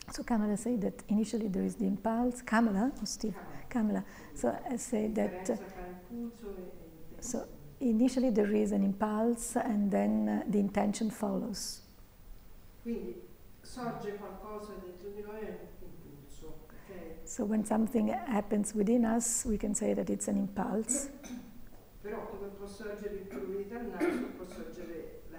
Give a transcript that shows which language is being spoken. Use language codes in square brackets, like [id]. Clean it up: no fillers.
[en] So Kamala said that initially there is the impulse. Kamala, or Steve? Kamala. So I say that so initially there is an impulse and then the intention follows. [it] Quindi sorge qualcosa dentro di noi è un impulso. [en] So when something happens within us, we can say that it's an impulse. [it] Però come può sorgere il problema di dal naso, può sorgere